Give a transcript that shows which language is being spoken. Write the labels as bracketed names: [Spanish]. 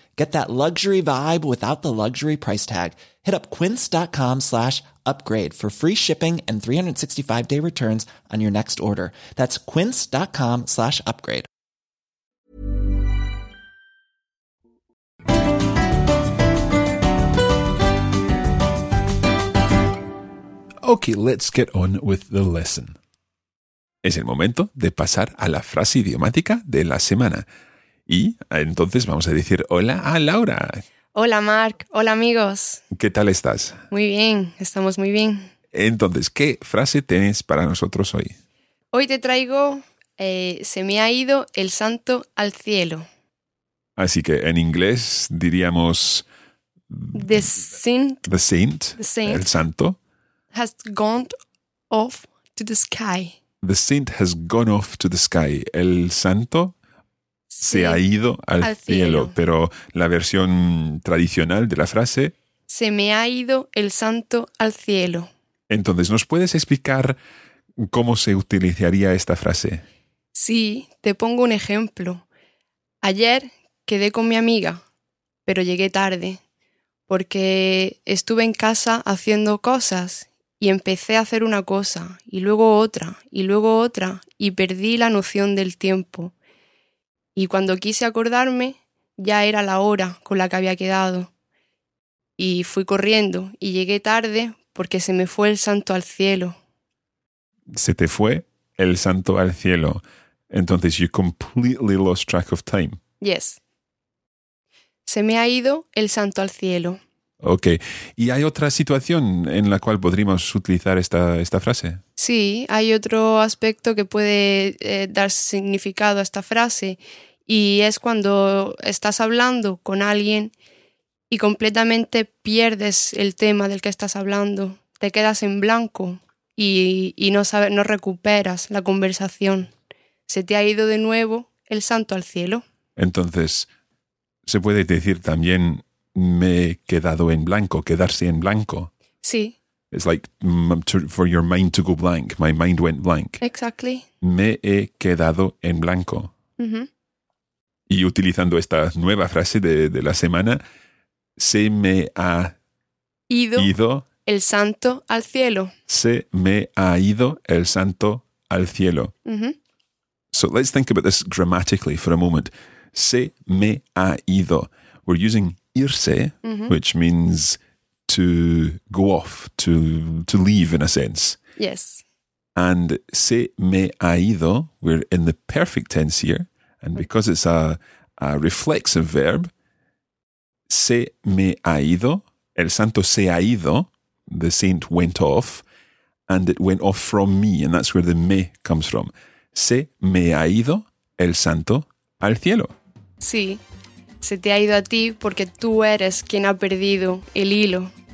[English] Get that luxury vibe without the luxury price tag. Hit up quince.com/upgrade for free shipping and 365-day returns on your next order. That's quince.com/upgrade. Okay, let's get on with the lesson. [Spanish] Es el momento de pasar a la frase idiomática de la semana. Y entonces vamos a decir hola a Laura. Hola, Mark. Hola, amigos. ¿Qué tal estás? Muy bien. Estamos muy bien. Entonces, ¿qué frase tienes para nosotros hoy? Hoy te traigo, se me ha ido el santo al cielo. Así que en inglés diríamos... [English] The saint. [Spanish] El santo. [English] Has gone off to the sky. The saint has gone off to the sky. [Spanish] El santo se ha ido al cielo. Pero la versión tradicional de la frase... Se me ha ido el santo al cielo. Entonces, ¿nos puedes explicar cómo se utilizaría esta frase? Sí, te pongo un ejemplo. Ayer quedé con mi amiga, pero llegué tarde porque estuve en casa haciendo cosas. Y empecé a hacer una cosa, y luego otra, y luego otra, y perdí la noción del tiempo. Y cuando quise acordarme, ya era la hora con la que había quedado. Y fui corriendo, y llegué tarde porque se me fue el santo al cielo. Se te fue el santo al cielo. [English] Entonces, you completely lost track of time. Yes. [Spanish] Se me ha ido el santo al cielo. [English] Ok. [Spanish] ¿Y hay otra situación en la cual podríamos utilizar esta frase? Sí, hay otro aspecto que puede dar significado a esta frase y es cuando estás hablando con alguien y completamente pierdes el tema del que estás hablando. Te quedas en blanco y no sabes, no recuperas la conversación. Se te ha ido de nuevo el santo al cielo. Entonces, se puede decir también... Me he quedado en blanco, quedarse en blanco. Sí. [English] It's like for your mind to go blank. My mind went blank. Exactly. [Spanish] Me he quedado en blanco. Uh-huh. Y utilizando esta nueva frase de la semana, se me ha ido el santo al cielo. Se me ha ido el santo al cielo. Uh-huh. [English] So let's think about this grammatically for a moment. [Spanish] Se me ha ido. [English] We're using irse, mm-hmm. which means to go off, to leave in a sense. Yes. And [Spanish] se me ha ido, [English] we're in the perfect tense here, and because it's a reflexive verb, [Spanish] se me ha ido, [English] el santo se ha ido, the saint went off, and it went off from me, and that's where the me comes from. [Spanish] Se me ha ido el santo al cielo. Sí. Se te ha ido a ti porque tú eres quien ha perdido el hilo.